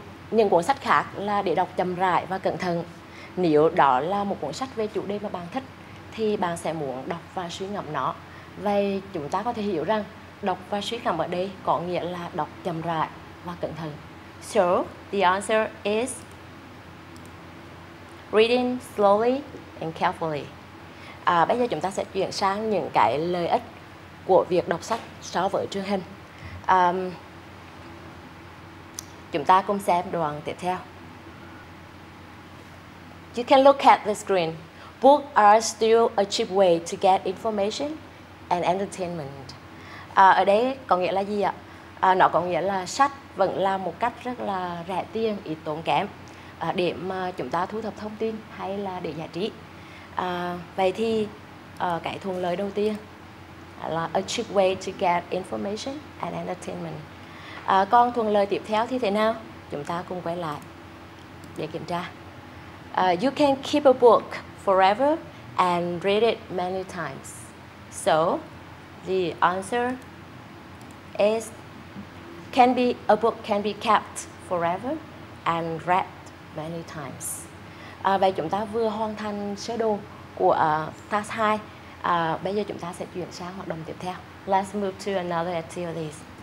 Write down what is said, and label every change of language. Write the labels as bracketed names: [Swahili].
[Vietnamese] Những cuốn sách khác là để đọc chậm rãi và cẩn thận. Nếu đó là một cuốn sách về chủ đề mà bạn thích, thì bạn sẽ muốn đọc và suy ngẫm nó. Vậy chúng ta có thể hiểu rằng đọc và suy ngẫm ở đây có nghĩa là đọc chậm rãi và cẩn thận. [English] So, the answer is reading slowly and carefully. [Vietnamese] Bây giờ chúng ta sẽ chuyển sang những cái lợi ích của việc đọc sách so với truyền hình. Chúng ta cùng xem đoạn tiếp theo. [English] You can look at the screen. Books are still a cheap way to get information and entertainment. [Vietnamese] Ở đây có nghĩa là gì ạ? Nó có nghĩa là sách vẫn là một cách rất là rẻ tiền, ít tốn kém để mà chúng ta thu thập thông tin hay là để giải trí. Vậy thì cái thuận lợi đầu tiên là [English] a cheap way to get information and entertainment. [Vietnamese] Còn thuận lợi tiếp theo thì thế nào? Chúng ta cùng quay lại để kiểm tra. [English] You can keep a book forever and read it many times. So, the answer is a book can be kept forever and read many times. [Vietnamese] Vậy chúng ta vừa hoàn thành sơ đồ của task 2. Bây giờ chúng ta sẽ chuyển sang hoạt động tiếp theo. [English] Let's move to another activities.